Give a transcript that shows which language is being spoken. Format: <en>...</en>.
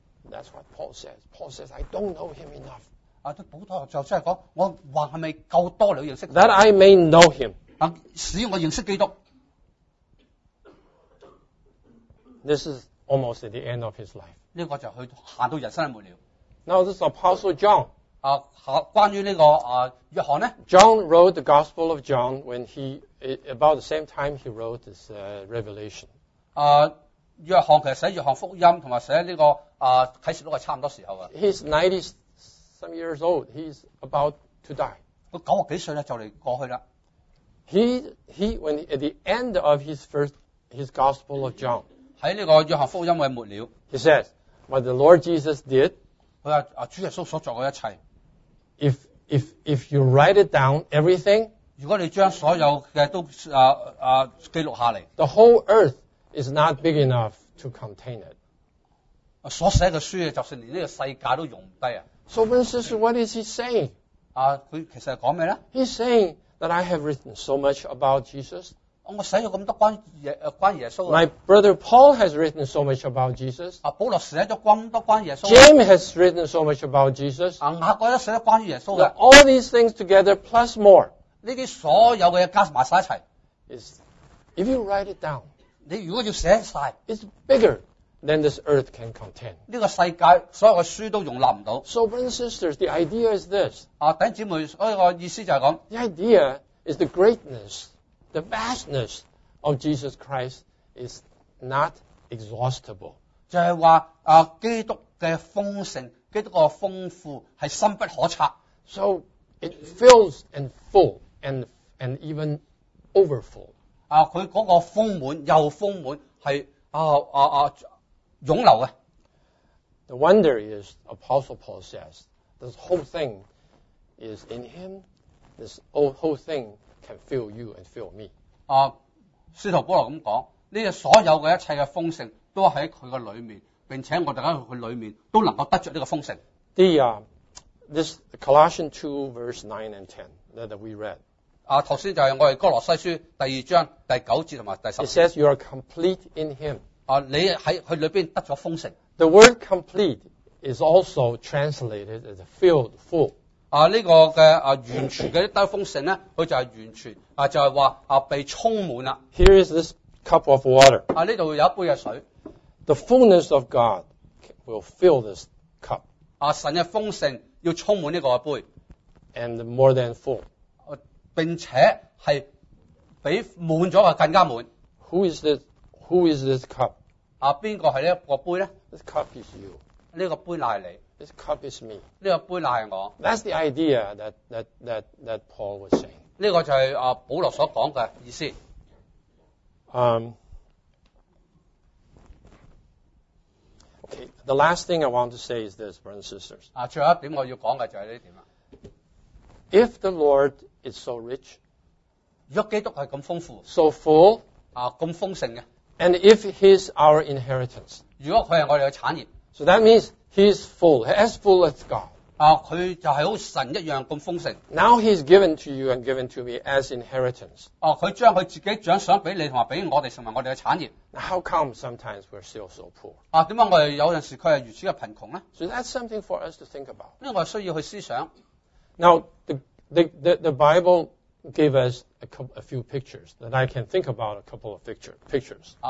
<en>？That's what Paul says. Paul says I don't know him enough.</en> <yue>啊，对保罗就真系讲，我话系咪够多了认识</yue> <en>？That I may know him.</en> <yue>啊，使我认识基督。</yue> <en>This is almost at the end of his life.</en> <yue>呢个就去行到人生嘅末了。</yue> <en>Now this Apostle John.</en> <yue>啊，关于呢、这个啊约翰咧</yue> <en>？John wrote the Gospel of John when he about the same time he wrote this Revelation.</en> <yue>啊，约翰其实写约翰福音同埋写呢个啊启示录系差唔多时候啊。</yue> <en>He's 90 some years old. He's about to die.</en> <yue>佢九十几岁咧，就嚟过去啦。</yue> <en>He when at the end of his Gospel of John</en> <yue>喺呢个约翰福音嘅末了。</yue> <en>He says what the Lord Jesus did.</en> <yue>佢话啊，主耶稣所做嘅一切。</yue> <en>If you write it down everything，</en> <yue>如果你将所有嘅都记录下嚟</yue> <en>，the whole earth。 Is not big enough to contain it.</en> <yue>所写嘅书就算连呢个世界都容唔低啊。</yue> <en>So, Vincent, what is he saying?</en> <yue>啊，佢其实系讲咩咧</yue> <en>？He's saying that I have written so much about Jesus.</en> <yue>我写咗咁多关耶稣。</yue> <en>My brother Paul has written so much about Jesus.</en> <yue>啊，保罗写咗咁多关耶稣。</yue> <en>James has written so much about Jesus.</en> <yue>啊，雅各都写咗关于耶稣嘅。</yue> <en>All these things together plus more.</en> <yue>呢啲所有嘅加埋晒一齐。</yue> <en>Is if you write it down.</en> <yue>你如果要写晒</yue> <en>，It's bigger than this earth can contain。</en> <yue>呢个世界所有嘅书都容纳唔到。</yue> <en>So, brothers and sisters, the idea is this。</en> <yue>啊，弟兄姊妹，所以我意思就系讲</yue> <en>，The idea is the greatness, the vastness of Jesus Christ is not exhaustible。</en> <yue>就系话啊，基督嘅丰盛，基督嘅丰富系深不可测。</yue> <en>So it fills and full and even overfull。啊！</en> <yue>佢嗰个丰满又丰满，系啊涌流嘅。</yue> <en>The wonder is Apostle Paul says this whole thing is in him. This whole thing can fill you and fill me.</en> <yue>啊，司徒保罗咁讲，呢个所有嘅一切嘅丰盛都喺佢嘅里面，并且我哋喺佢里面都能够得着呢个丰盛。</yue> <en>This Colossians 2 verse 9 and 10 that we read.</en> <yue>啊，头先就系我哋哥罗西书第二章第九节同埋第十节。</yue> <en>It says you are complete in him。</en> <yue>啊，你喺佢里边得咗丰盛。</yue> <en>The word complete is also translated as filled full。</en> <yue>啊，呢、这个嘅啊完全嘅得丰盛咧，佢就系完全啊，就系话啊被充满啦。</yue> <en>Here is this cup of water。</en> <yue>啊，呢度有一杯嘅水。</yue> <en>The fullness of God will fill this cup。</en> <yue>啊，神嘅丰盛要充满呢个杯。</yue> <en>And more than full。</en> <yue>并且系比满咗更加满。</yue> <en>Who is this cup？</en> <yue>啊，边个系呢个杯咧</yue> <en>？This cup is you。</en> <yue>呢个杯乃系你。</yue> <en>This cup is me.</en> <yue>呢個杯乃係我。</yue> <en>That's the idea that Paul was saying.</en> <yue>呢個就係保羅所講嘅意思。</yue> <en>Okay, the last thing I want to say is this, brothers and sisters.</en> <yue>最後一點我要講嘅就係呢點啦。</yue> <en>If the Lord is so rich,</en> <yue>若基督係咁豐富</yue> <en>，so full,</en> <yue>咁豐盛嘅</yue> <en>，and if He's our inheritance,</en> <yue>如果佢係我哋嘅產業</yue> <en>，so that means He's full, as full as God.</en> <yue>佢就係好神一樣咁豐盛。</yue> <en>Now He's given to you and given to me as inheritance.</en> <yue>佢將佢自己獎賞俾你同埋俾我哋成為我哋嘅產業。</yue> <en>How come sometimes we're still so poor?</en> <yue>點解我哋有陣時佢係如此嘅貧窮咧</yue> <en>？So that's something for us to think about.</en> <yue>呢個需要去思想。</yue> <en>Now the Bible gave us a few pictures that I can think about a couple of pictures.</en>